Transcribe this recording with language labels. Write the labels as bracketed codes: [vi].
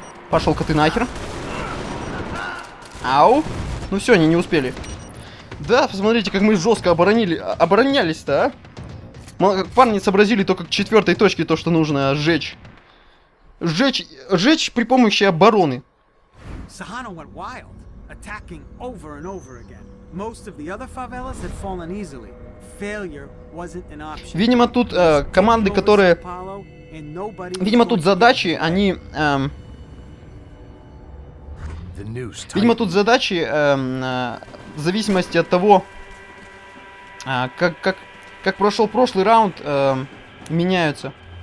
[ru] Пошел-ка ты нахер. Ау. Ну все, они не успели. Да, посмотрите, как мы жестко оборонялись-то, а? Парни сообразили только к четвертой точке то, что нужно сжечь. Сжечь при помощи обороны. [en] Сахана went wild, attacking over and over again. Most of the other favelas had fallen easily. Failure wasn't an option. [ru] Видимо, тут команды, которые... Видимо, тут задачи, они... Видимо, тут задачи в зависимости от того, как прошел прошлый раунд, меняются.